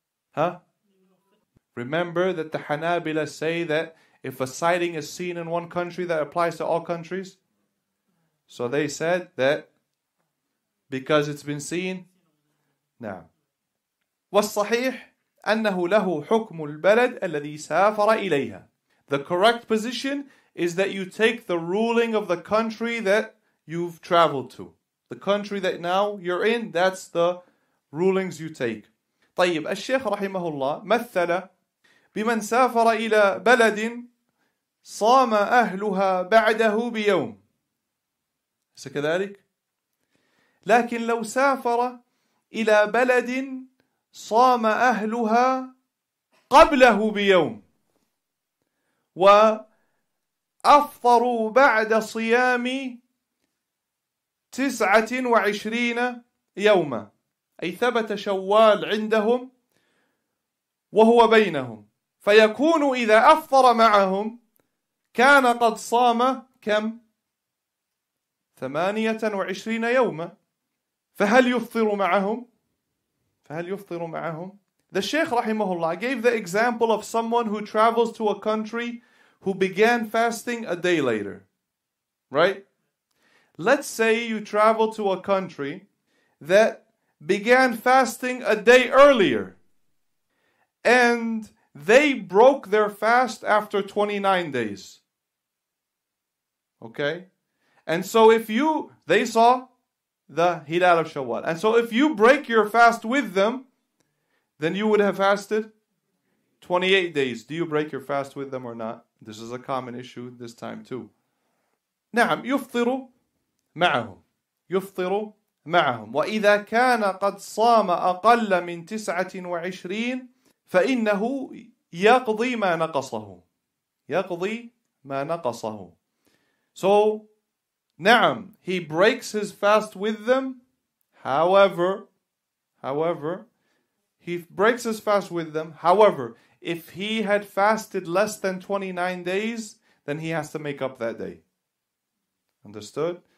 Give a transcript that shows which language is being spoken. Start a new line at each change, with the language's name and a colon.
English: Huh? Remember that the Hanabila say that if a sighting is seen in one country, that applies to all countries? So they said that because it's been seen, now.
Arabic: والصحيح أنه له حكم البلد الذي سافر إليها.
English: The correct position is that you take the ruling of the country that you've traveled to. The country that now you're in, that's the rulings you take.
Arabic: طيب الشيخ رحمه الله مثل بمن سافر إلى بلد صام أهلها بعده بيوم. أليس كذلك؟ لكن لو سافر إلى بلد صام أهلها قبله بيوم وأفطروا بعد صيام 29 يوما أي ثبت شوال عندهم وهو بينهم فيكون إذا أفطر معهم كان قد صام كم 28 يوما فهل يفطر معهم
English: The Shaykh rahimahullah gave the example of someone who travels to a country who began fasting a day later. Right? Let's say you travel to a country that began fasting a day earlier. And they broke their fast after 29 days. Okay? And so they saw the Hilal of Shawwal. And so if you break your fast with them, then you would have fasted 28 days. Do you break your fast with them or not? This is a common issue this time too.
Arabic: نعم يفطر معهم. يفطر معهم. وإذا كان قد صام أقل من 29 فإنه يقضي ما نقصه. يقضي ما نقصه.
English: So,
Arabic: نعم,
English: he breaks his fast with them. However, he breaks his fast with them. However, if he had fasted less than 29 days, then he has to make up that day. Understood?